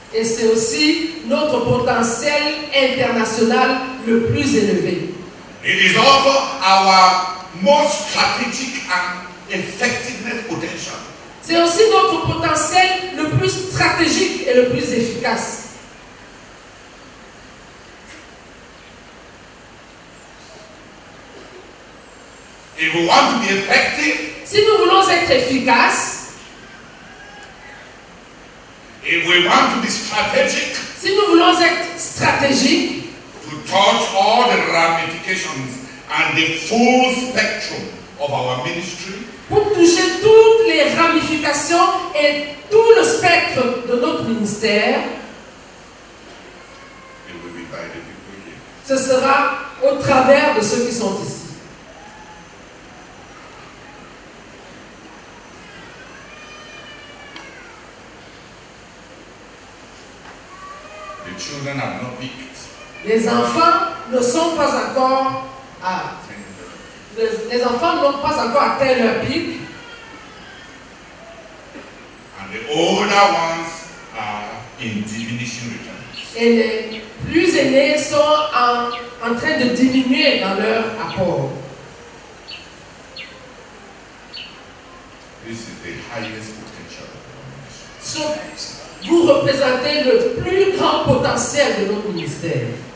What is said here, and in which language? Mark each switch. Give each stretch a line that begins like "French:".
French: Et c'est aussi notre potentiel international le plus élevé.
English: It is also our most strategic and effectiveness potential.
French: C'est aussi notre potentiel le plus stratégique et le plus efficace.
English: If we want to be effective,
French: si nous voulons être efficaces,
English: if we want to be strategic,
French: si nous voulons être stratégiques,
English: to touch all the ramifications and the full spectrum of our ministry,
French: pour toucher toutes les ramifications et tout le spectre de notre ministère,
English: it will be by the people here.
French: Ce sera au travers de ceux qui sont ici.
English: Children are not picked.
French: Les enfants ne sont pas encore à. Les enfants n'ont pas encore atteint leur pic.
English: And the older ones are in diminishing returns.
French: Et les plus aînés sont en train de diminuer dans leur apport.
English: This is the highest potential.
French: So, vous représentez le plus grand potentiel de notre ministère.